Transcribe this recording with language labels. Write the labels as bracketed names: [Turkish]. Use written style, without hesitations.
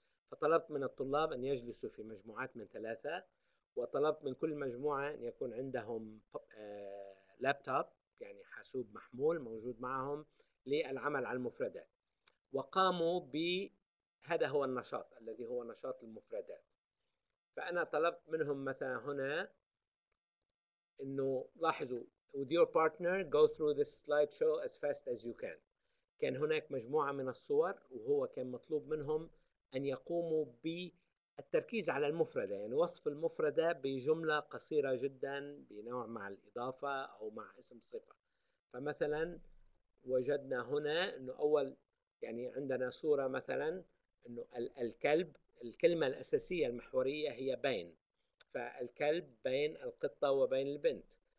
[Arabic] فطلبت من الطلاب أن يجلسوا في مجموعات من ثلاثة، وطلبت من كل مجموعة أن يكون عندهم لابتوب، يعني حاسوب محمول موجود معهم للعمل على المفردات، وقاموا بهذا هو النشاط الذي هو نشاط المفردات. فأنا طلبت منهم مثلا هنا إنه لاحظوا [English] with your partner go through this slideshow as fast as you can. [Arabic] كان هناك مجموعة من الصور، وهو كان مطلوب منهم أن يقوموا بالتركيز على المفردة، يعني وصف المفردة بجملة قصيرة جدا بنوع مع الإضافة أو مع اسم صفة. فمثلا وجدنا هنا إنه أول يعني عندنا صورة مثلا إنه الكلب، الكلمة الأساسية المحورية هي بين، فالكلب بين القطة وبين البنت.